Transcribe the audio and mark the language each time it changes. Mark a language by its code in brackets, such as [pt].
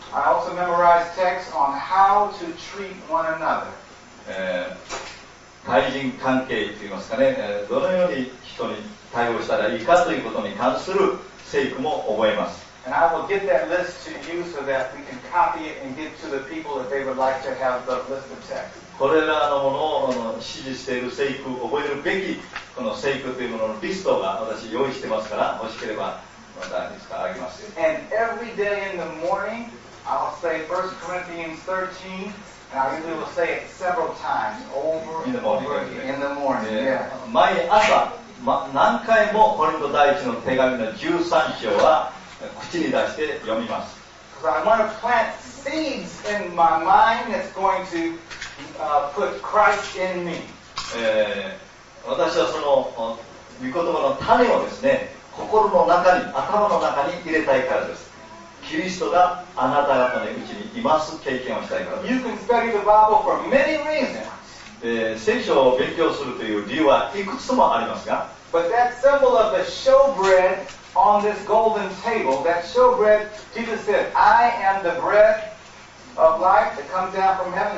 [en] I also memorize texts on how to treat one another. [ja] 対人関係といいますかね、どのように人に対応したらいいかということに関する聖句も覚えます。 [en] And I will get that list to you so that we can copy it and give to the people that they would like to have the list of texts. [ja] これらのものを支持している聖句を覚えるべきこの聖句というもののリストが私用意してますから、もしければまたいつかあげます。 [en] And every day in the morning, I'll say 1 Corinthians 13, and I usually will say it several times over and over in the morning. Yeah. [ja] 毎朝、何回もコリント第一の手紙の13章は口に出して読みます。 [en] Because I want to plant seeds in my mind that's going to put Christ in me. [ja] 私はその御言葉の種をですね、心の中に、頭の中に入れたいからです。キリストがあなた方のうちにいます経験をしたいからです。 [en] You can study the Bible for many reasons. [ja] 聖書を勉強するという理由はいくつもありますが、 [en] But that symbol of the showbread on this golden table, that showbread, Jesus said, I am the bread of life that comes down from heaven.